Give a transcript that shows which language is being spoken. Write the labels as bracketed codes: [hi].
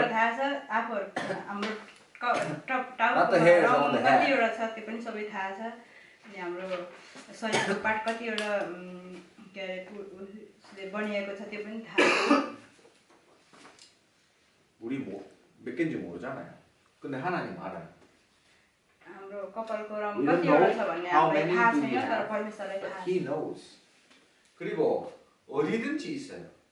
[en] Not the hairs on the head. [ko] 우리 뭐 몇 개인지 모르잖아요. 근데 하나님 알아요. 우리 [en] know how many people we have, but he knows. [ko] 그리고 어디든지 있어요.